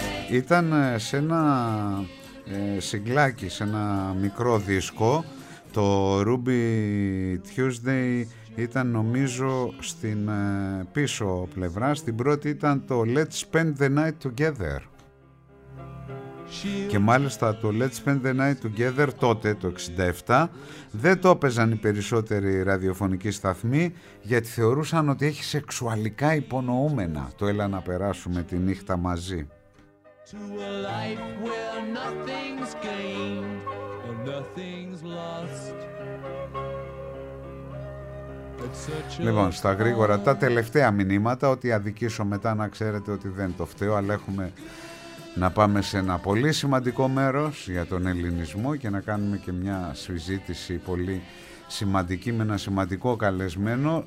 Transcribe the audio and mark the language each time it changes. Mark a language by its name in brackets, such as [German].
[Greek] Ήταν σε ένα σιγκλάκι, σε ένα μικρό δίσκο. Το Ruby Tuesday ήταν, νομίζω, στην πίσω πλευρά. Στην πρώτη ήταν το Let's Spend the Night Together. Και μάλιστα το Let's Spend the Night Together τότε, το 67, δεν το έπαιζαν οι περισσότεροι ραδιοφωνικοί σταθμοί, γιατί θεωρούσαν ότι έχει σεξουαλικά υπονοούμενα το «έλα να περάσουμε τη νύχτα μαζί». [English] To a life where nothing's gained or nothing's lost. [Greek] Λοιπόν, στα γρήγορα τα τελευταία μηνύματα, ότι αδικήσω μετά να ξέρετε ότι δεν το φταίω, αλλά έχουμε να πάμε σε ένα πολύ σημαντικό μέρος για τον ελληνισμό και να κάνουμε και μια συζήτηση πολύ σημαντική με ένα σημαντικό καλεσμένο.